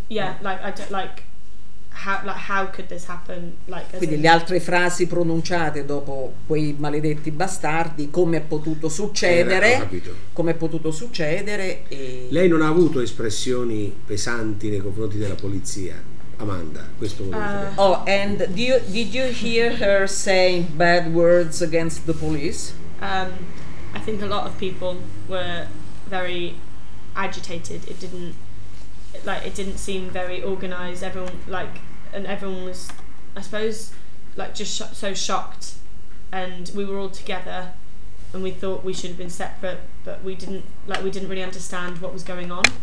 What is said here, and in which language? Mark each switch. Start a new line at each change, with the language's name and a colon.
English: Yeah, like I don't like how could this happen? Like,
Italian: quindi le altre frasi pronunciate dopo quei maledetti bastardi, come è potuto succedere? Come è potuto succedere? E lei non ha avuto espressioni pesanti nei confronti della polizia, Amanda? Questo volevo sapere.
English: Oh, and did you hear her saying bad words against the police? I think a lot of people were very agitated. It didn't seem very organized. Everyone was, I suppose, like just so shocked, and we were all together, and we thought we should have been separate, but we didn't really understand what was going on.